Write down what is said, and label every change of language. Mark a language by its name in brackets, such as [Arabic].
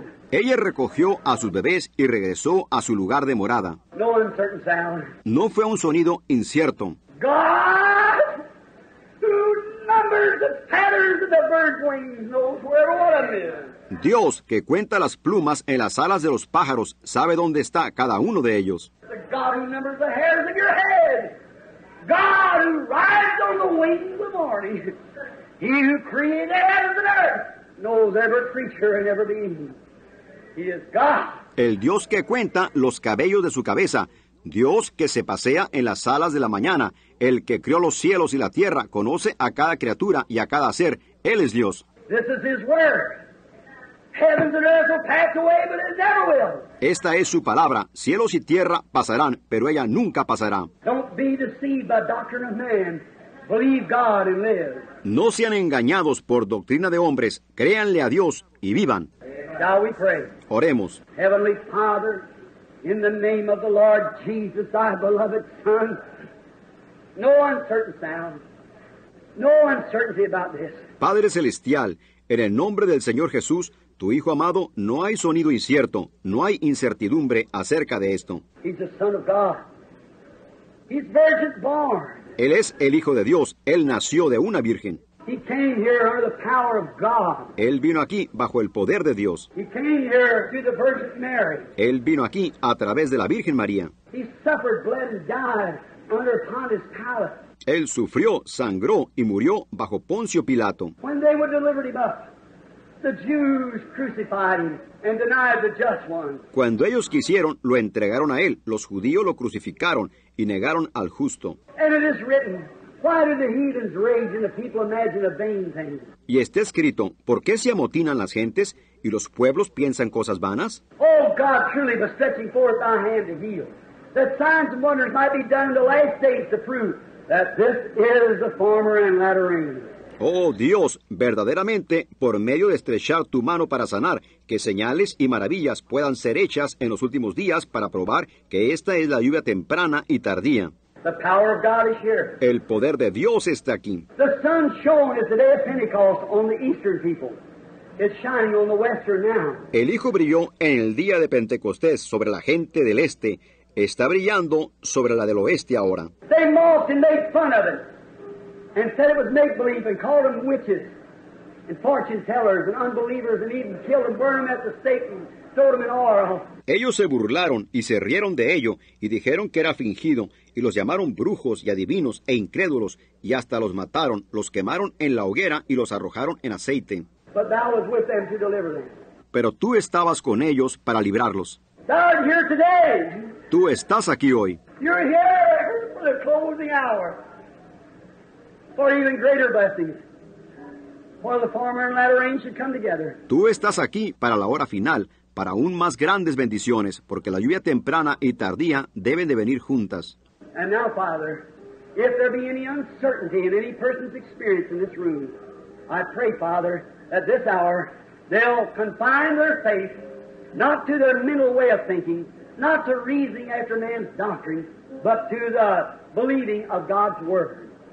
[Spanish] Ella recogió a sus bebés y regresó a su lugar de morada. [English] No uncertain sound. [Spanish] No fue un sonido incierto. [English] God, who numbers the patterns of the bird's wings, knows where one of them is. [Spanish] Dios, que cuenta las plumas en las alas de los pájaros, sabe dónde está cada uno de ellos. [English] The God who numbers the hairs in your head. God who rides on the wings of the morning, He who created heaven and earth, knows every creature and every being. He is God. [Spanish] El Dios que cuenta los cabellos de su cabeza, Dios que se pasea en las alas de la mañana, el que creó los cielos y la tierra, conoce a cada criatura y a cada ser. Él es Dios. [English] This is His work. Heavens and earth will pass away, but it never will. [Spanish] Esta es su palabra. Cielos y tierra pasarán, pero ella nunca pasará. [English] Don't be deceived by doctrine of man. Believe God and live. [Spanish] No sean engañados por doctrina de hombres. Créanle a Dios y vivan. [English] Shall we pray? [Spanish] Oremos. [English] Heavenly Father, in the name of the Lord Jesus, thy beloved Son, no uncertain sound, no uncertainty about this. [Spanish] Padre Celestial, en el nombre del Señor Jesús, tu Hijo amado, no hay sonido incierto, no hay incertidumbre acerca de esto. [English] He's the Son of God. He's virgin born. [Spanish] Él es el Hijo de Dios. Él nació de una virgen. [English] He came here under the power of God. [Spanish] Él vino aquí bajo el poder de Dios. [English] He came here through the Virgin Mary. [Spanish] Él vino aquí a través de la Virgen María. [English] He suffered, bled, and died under Pontius Pilate. [Spanish] Él sufrió, sangró y murió bajo Poncio Pilato. [English] When they were delivered him up, the Jews crucified him and denied the just one. [Spanish] Cuando ellos quisieron, lo entregaron a él. Los judíos lo crucificaron y negaron al justo. [English] And it is written, why do the heathens rage and the people imagine a vain thing? [Spanish] Y está escrito, ¿por qué se amotinan las gentes y los pueblos piensan cosas vanas? [English] Oh God, truly but stretching forth thy hand to heal, that signs and wonders might be done in the last days to prove that this is the former and latter reign. [Spanish] Oh Dios, verdaderamente, por medio de estrechar tu mano para sanar, que señales y maravillas puedan ser hechas en los últimos días para probar que esta es la lluvia temprana y tardía. [English] The power of God is here. [Spanish] El poder de Dios está aquí. [English] The sun shone as the day of Pentecost on the eastern people. It's shining on the western now. [Spanish] El Hijo brilló en el día de Pentecostés sobre la gente del este. Está brillando sobre la del oeste ahora. [English] They mocked and made fun of it. And said it was make-believe and called them witches and fortune-tellers and unbelievers and even killed and burned them at the stake and threw them in oil. [Spanish] Ellos se burlaron y se rieron de ello y dijeron que era fingido y los llamaron brujos y adivinos e incrédulos y hasta los mataron, los quemaron en la hoguera y los arrojaron en aceite. [English] But thou was with them to deliver them. [Spanish] Pero tú estabas con ellos para librarlos. [English] Thou art here today. [Spanish] Tú estás aquí hoy. [English] You're here for the closing hour. For even greater blessings, while the former and latter rain should come together. [Spanish] Tú estás aquí para la hora final, para aún más grandes bendiciones, porque la lluvia temprana y tardía deben de venir juntas. [English] And now, Father, if there be any uncertainty in any person's experience in this room, I pray, Father, at this hour, they'll confine their faith not to their mental way of thinking, not to reasoning after man's doctrine, but to the believing of God's word.